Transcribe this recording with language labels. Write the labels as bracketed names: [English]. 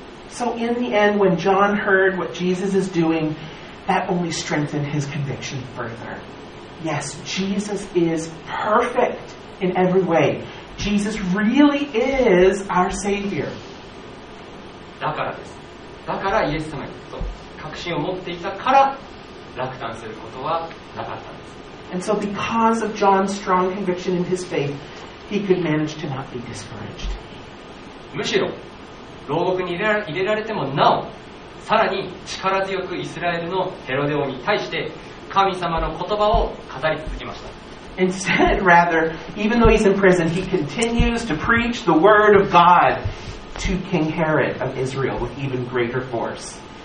[English] So in the end, when John heard what Jesus is doing,That only strengthened his conviction further. Yes, Jesus is perfect in every way. Jesus really is our Savior. [Japanese] だからです。だからイエス様にと確信を持っていたから落胆することはなかったんです。 [English] And so because of John's strong conviction in his faith, he could manage to not be discouraged. [Japanese] むしろ、牢獄に入れられてもなお、さらに力強くイスラエルのヘロデ王に対して神様の言葉を語り続けました。 [English] Instead, rather, even though he's in prison, he continues to preach the word of God to King Herod of Israel with even greater force.